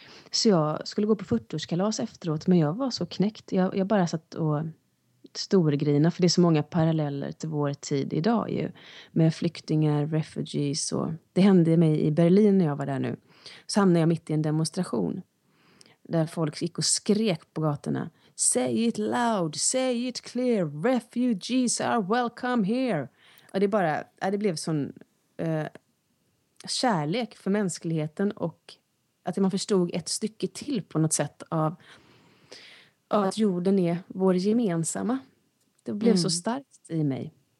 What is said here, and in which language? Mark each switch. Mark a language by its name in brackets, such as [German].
[Swedish] Så jag skulle gå på 40-årskalas efteråt, men jag var så knäckt. Jag bara satt och storgrina, för det är så många paralleller till vår tid idag ju. Med flyktingar, refugees och det hände mig i Berlin när jag var där nu. Så hamnade jag mitt i en demonstration. Där folk gick och skrek på gatorna. [English] Say it loud, say it clear, refugees are welcome here. [Swedish] Och det blev sån kärlek för mänskligheten. Och att man förstod ett stycke till på något sätt av att jorden är vår gemensamma. Det blev så starkt i mig.